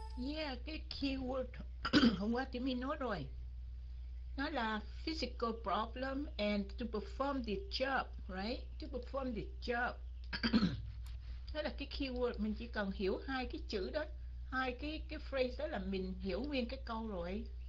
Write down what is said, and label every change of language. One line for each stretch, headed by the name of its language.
Vietnamese: Yeah, cái keyword hôm qua thì mình nói rồi. Nó là
English: physical problem and to perform the job, right? To perform the job.
Vietnamese: Đó là cái keyword, mình chỉ cần hiểu hai cái chữ đó, hai cái phrase đó là mình hiểu nguyên cái câu rồi.